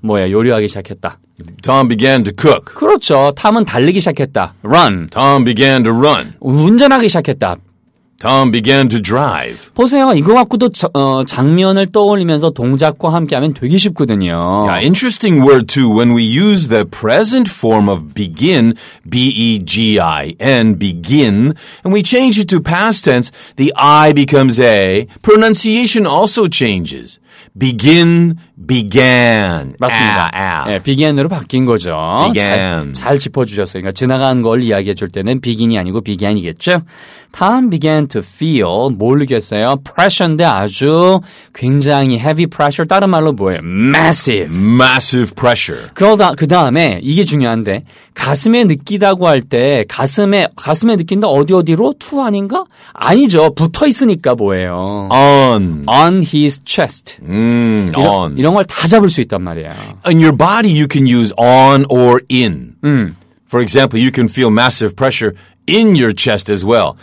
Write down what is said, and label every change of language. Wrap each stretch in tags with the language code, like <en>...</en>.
<ko>뭐야, 요리하기 시작했다.</ko> <en>Tom began to cook.</en> <ko>그렇죠. Tom은 달리기 시작했다. Run.</ko> <en>Tom began to run.</en> <ko>운전하기 시작했다.</ko> <en>Tom began to drive.</en> <ko>보세요. 이거 갖고도 장면을 떠올리면서 동작과 함께하면 되게 쉽거든요.</ko> <en>Yeah, interesting word too. When we use the present form of begin, B-E-G-I-N, begin, and we change it to past tense, the I becomes A. Pronunciation also changes. Begin, began.</en> <ko>맞습니다. 아, 아. 네, begin으로 바뀐 거죠.</ko> <en>Began.</en> <ko>잘 짚어주셨어요. 그러니까 지나간 걸 이야기해줄 때는 begin이 아니고 began이겠죠.</ko> <en>Tom began to feel,</en> <ko>뭘 느꼈어요? Pressure인데 아주 굉장히 heavy pressure. 다른 말로 뭐예요? Massive.</ko> <en>Massive pressure.</en> <ko>그러다, 그 다음에 이게 중요한데 가슴에 느끼다고 할 때 가슴에 느낀다 어디 어디로? To 아닌가? 아니죠. 붙어 있으니까 뭐예요?</ko> <en>On. On his chest.</en> <ko>이런, on. 이런 걸 다 잡을 수 있단 말이야.</ko> <en>In your body you can use on or in. 음. For example, you can feel massive pressure in your chest as well.</en>